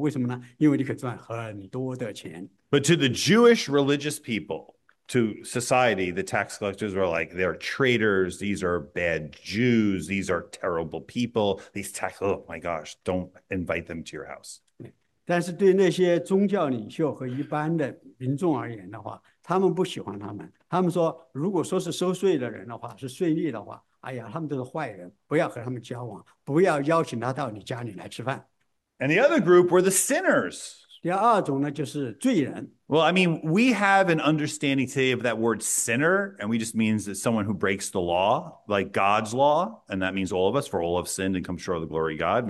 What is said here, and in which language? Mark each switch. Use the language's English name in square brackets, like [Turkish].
[Chinese] 所以呢，如果你是想要人都喜欢你的话，那不是个好工作。但是如果你不在乎人家喜欢不喜欢你的话，那是个很好的工作。为什么呢？因为你可以赚很多的钱。 [English] But to the Jewish religious people, to society, the tax collectors were like, they're traitors. These are bad Jews. These are terrible people. These tax, oh my gosh, don't invite them to your house. [Chinese] 但是对那些宗教领袖和一般的民众而言的话，他们不喜欢他们。他们说，如果说是收税的人的话，是税吏的话，哎呀，他们都是坏人，不要和他们交往，不要邀请他到你家里来吃饭。 [English] And the other group were the sinners. [Chinese] 第二种呢，就是罪人。 [English] Well, I mean, we have an understanding today of that word sinner, and we just means that someone who breaks the law, like God's law, and that means all of us, for all have sinned and come short of the glory of God.